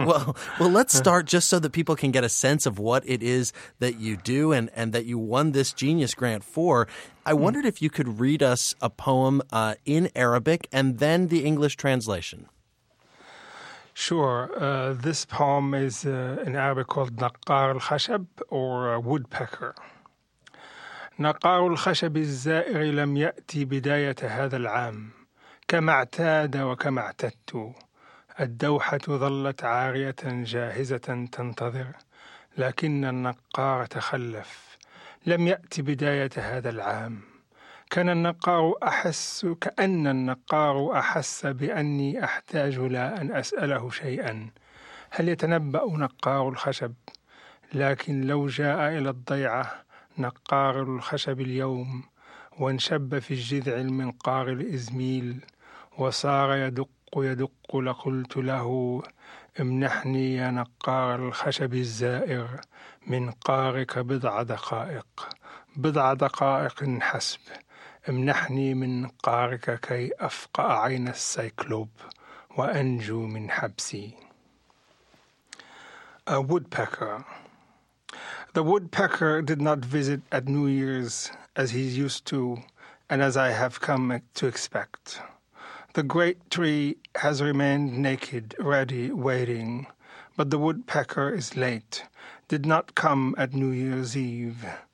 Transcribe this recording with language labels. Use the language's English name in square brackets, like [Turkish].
[English] Well, let's start just so that people can get a sense of what it is that you do and that you won this genius grant for. I wondered if you could read us a poem in Arabic and then the English translation. Sure. This poem is in Arabic called Naqar al-Khashab, or Woodpecker. [Arabic] نقار الخشب الزائر لم يأتي بداية هذا العام كما اعتاد وكما اعتدت الدوحة ظلت عارية جاهزة تنتظر لكن النقار تخلف لم يأتي بداية هذا العام كان النقار أحس كأن النقار أحس بأني أحتاج لا أن أسأله شيئا هل يتنبأ نقار الخشب لكن لو جاء إلى الضيعة نقار الخشب اليوم وانشب في الجذع المنقار الإزميل وصار يدق يدق لقلت له امنحني يا نقار الخشب الزائر منقارك بضع دقائق بضع دقائق حسب امنحني منقارك كي أفقأ عين السيكلوب وأنجو من حبسي. [English] A woodpecker. The woodpecker did not visit at New Year's as he's used to and as I have come to expect. The great tree has remained naked, ready, waiting, but the woodpecker is late, did not come at New Year's Eve.